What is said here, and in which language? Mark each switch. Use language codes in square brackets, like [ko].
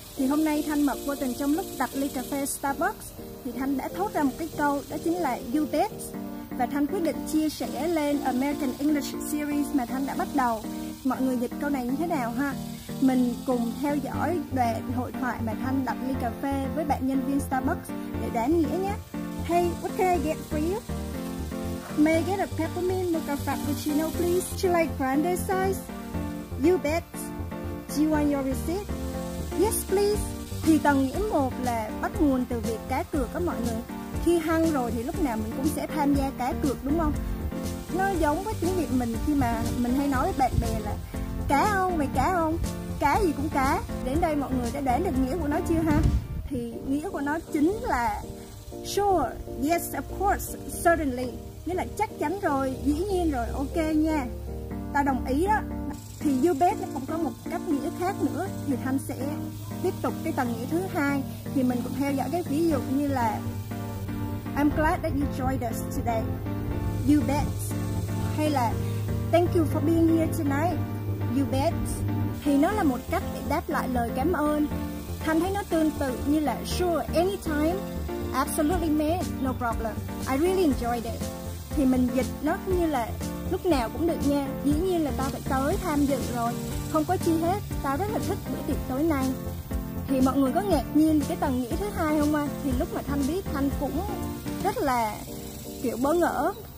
[vi] Thì hôm nay Thanh Mật vô tình trong lúc đặt ly cà phê Starbucks thì Thanh đã thốt ra một cái câu, đó chính là you bet. Và Thanh quyết định chia sẻ lên American English Series mà Thanh đã bắt đầu. Mọi người dịch câu này như thế nào ha? Mình cùng theo dõi đoạn hội thoại mà Thanh đặt ly cà phê với bạn nhân viên Starbucks để đoán nghĩa nhé. [en] Hey, what can I get for you? May I get a peppermint mocha frappuccino please? Do you like grande size? You bet. Do you want your receipt? Yes, please. [vi] Thì tầng nghĩa 1 là bắt nguồn từ việc cá cược đó mọi người. Khi hăng rồi thì lúc nào mình cũng sẽ tham gia cá cược đúng không? Nó giống với tiếng Việt mình khi mà mình hay nói với bạn bè là cá không? Mày cá không? Cá gì cũng cá. Đến đây mọi người đã đoán được nghĩa của nó chưa ha? Thì nghĩa của nó chính là sure, yes, of course, certainly. Nghĩa là chắc chắn rồi, dĩ nhiên rồi, ok nha. Ta đồng ý đó. Thì you bet nó cũng có một cách nghĩa khác nữa. Thì Thanh sẽ tiếp tục cái tầng nghĩa thứ hai. Thì mình cũng theo dõi cái ví dụ như là I'm glad that you joined us today. You bet. [en] Hay là thank you for being here tonight. You bet. [vi] Thì nó là một cách để đáp lại lời cảm ơn. Thanh thấy nó tương tự như là sure, anytime. [en] Absolutely mate, no problem. I really enjoyed it. [vi] Thì mình dịch nó như là lúc nào cũng được nha. Dĩ nhiên là tao phải tới tham dự rồi. Không có chi hết. Tao rất là thích bữa tiệc tối nay. Thì mọi người có ngạc nhiên cái tầng nghĩa thứ hai không ạ? Thì lúc mà Thanh biết, Thanh cũng rất là kiểu bỡ ngỡ.